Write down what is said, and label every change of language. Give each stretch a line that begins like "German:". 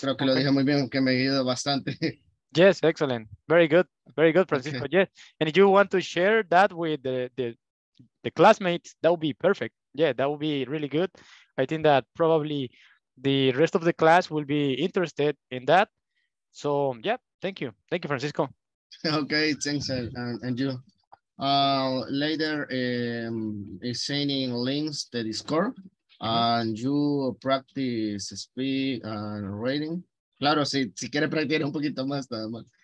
Spanish: Creo que okay. Lo dije muy bien, que me ayudó bastante.
English: Yes, excellent. Very good, Francisco. Okay. Yes. And if you want to share that with the classmates, that would be perfect. Yeah, that would be really good. I think that probably the rest of the class will be interested in that. So yeah, thank you. Thank you, Francisco. Okay, thanks. And you. Later is sending links to Discord and you practice speak and writing.
Spanish: Claro, si quiere practicar un poquito más, nada más.